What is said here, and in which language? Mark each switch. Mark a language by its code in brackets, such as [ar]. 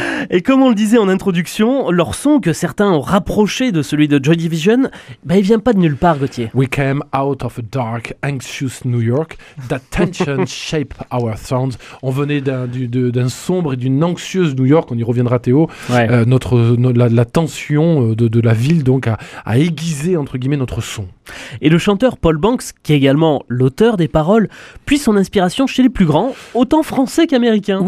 [fr] Et comme on le disait en introduction, leur son, que certains ont rapproché de celui de Joy Division, bah, il vient pas de nulle part, Gauthier. [en] We came out of a dark, anxious New York. That tension shaped our sounds. [fr] On venait d'un sombre et d'une anxieuse New York. On y reviendra, Théo. Ouais. La tension de la ville donc a aiguisé, entre guillemets, notre son. Et le chanteur Paul Banks, qui est également l'auteur des paroles, puise son inspiration chez les plus grands, autant français qu'américains.